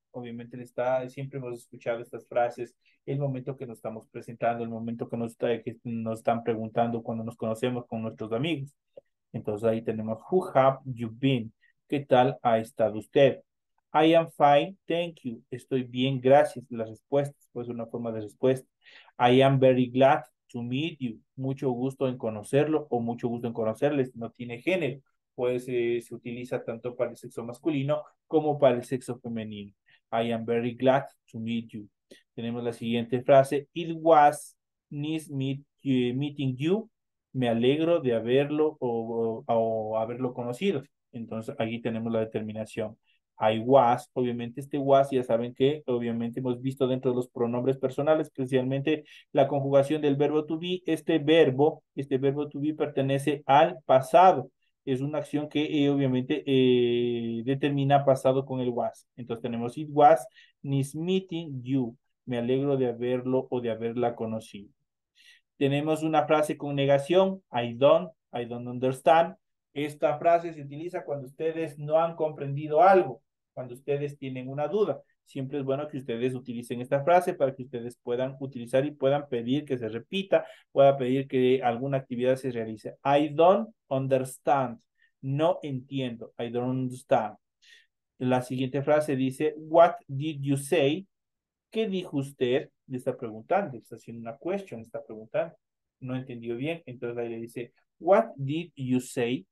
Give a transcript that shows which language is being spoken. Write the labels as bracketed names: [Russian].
[Spanish] Obviamente siempre hemos escuchado estas frases, el momento que nos estamos presentando, el momento que nos están preguntando cuando nos conocemos con nuestros amigos. Entonces ahí tenemos, [English] who have you been? [Spanish] ¿Qué tal ha estado usted? [English] I am fine, thank you. [Spanish] Estoy bien, gracias. Las respuestas, pues una forma de respuesta. [English] I am very glad to meet you. [Spanish] Mucho gusto en conocerlo o mucho gusto en conocerles. No tiene género. Pues se utiliza tanto para el sexo masculino como para el sexo femenino. [English] I am very glad to meet you. [Spanish] Tenemos la siguiente frase. [English] It was nice meeting you. [Spanish] Me alegro de haberlo o haberlo conocido. Entonces, aquí tenemos la determinación. [English] I was, [Spanish] obviamente este was, ya saben que obviamente hemos visto dentro de los pronombres personales, especialmente la conjugación del verbo to be. Este verbo to be pertenece al pasado. Es una acción que obviamente determina pasado con el was. Entonces tenemos [English] it was nice meeting you. [Spanish] Me alegro de haberlo o de haberla conocido. Tenemos una frase con negación. [English] I don't understand. [Spanish] Esta frase se utiliza cuando ustedes no han comprendido algo, cuando ustedes tienen una duda. Siempre es bueno que ustedes utilicen esta frase para que ustedes puedan utilizar y puedan pedir que se repita, pueda pedir que alguna actividad se realice. [English] I don't understand. [Spanish] No entiendo. [English] I don't understand. [Spanish] La siguiente frase dice, [English] What did you say? [Spanish] ¿Qué dijo usted? Le está preguntando, está haciendo una question, está preguntando. No entendió bien. Entonces ahí le dice, [English] What did you say?